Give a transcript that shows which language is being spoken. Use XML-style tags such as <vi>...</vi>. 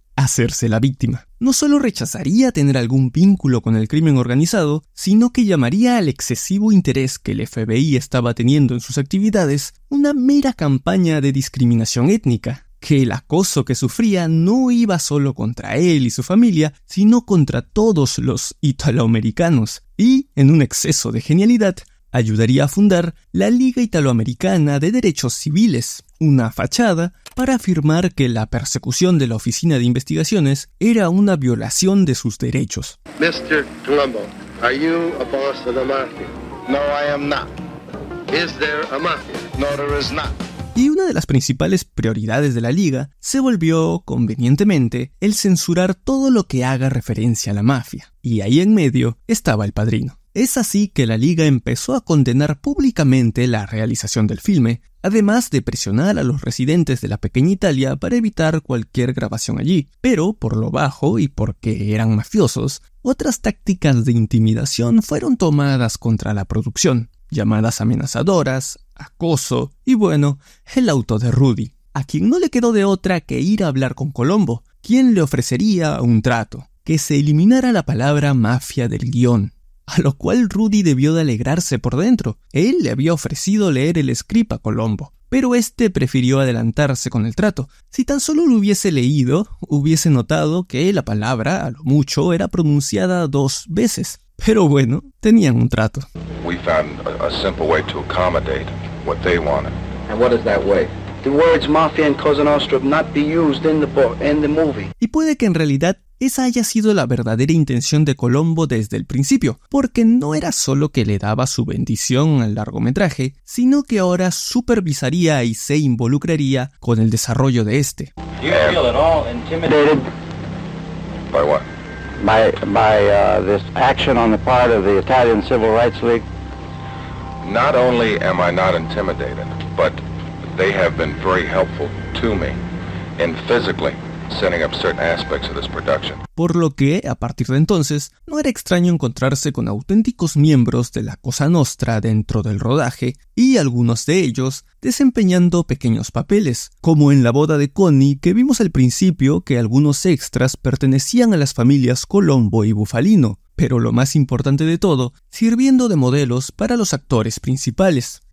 <es>Hacerse la víctima. No solo rechazaría tener algún vínculo con el crimen organizado, sino que llamaría al excesivo interés que el FBI estaba teniendo en sus actividades una mera campaña de discriminación étnica, que el acoso que sufría no iba solo contra él y su familia, sino contra todos los italoamericanos, y, en un exceso de genialidad, ayudaría a fundar la Liga Italoamericana de Derechos Civiles, una fachada para afirmar que la persecución de la Oficina de Investigaciones era una violación de sus derechos.</es> <en>Mr. Colombo, are you a boss of the mafia? No, I am not. Is there a mafia? No, there is not.</en> <es>Y una de las principales prioridades de la Liga se volvió, convenientemente, el censurar todo lo que haga referencia a la mafia. Y ahí en medio estaba el Padrino. Es así que la Liga empezó a condenar públicamente la realización del filme, además de presionar a los residentes de la pequeña Italia para evitar cualquier grabación allí. Pero, por lo bajo y porque eran mafiosos, otras tácticas de intimidación fueron tomadas contra la producción. Llamadas amenazadoras, acoso y, bueno, el auto de Rudy, a quien no le quedó de otra que ir a hablar con Colombo, quien le ofrecería un trato, que se eliminara la palabra mafia del guión. A lo cual Rudy debió de alegrarse por dentro. Él le había ofrecido leer el script a Colombo, pero este prefirió adelantarse con el trato. Si tan solo lo hubiese leído, hubiese notado que la palabra, a lo mucho, era pronunciada dos veces. Pero bueno, tenían un trato.</es> <en>We found a simple way to accommodate what they wanted. And what is that way? The words mafia and Cosa Nostra not be used in the book, in the movie.</en> <es>Y puede que en realidad esa haya sido la verdadera intención de Colombo desde el principio, porque no era solo que le daba su bendición al largometraje, sino que ahora supervisaría y se involucraría con el desarrollo de este.</es> <en>You feel at all intimidated? By what? By this action on the part of the Italian Civil Rights League. Not only am I not intimidated, but they have been very helpful to me in physically setting up certain aspects of this production.</en> <es>Por lo que, a partir de entonces, no era extraño encontrarse con auténticos miembros de la Cosa Nostra dentro del rodaje y algunos de ellos desempeñando pequeños papeles, como en la boda de Connie, que vimos al principio que algunos extras pertenecían a las familias Colombo y Bufalino, pero lo más importante de todo, sirviendo de modelos para los actores principales.</es>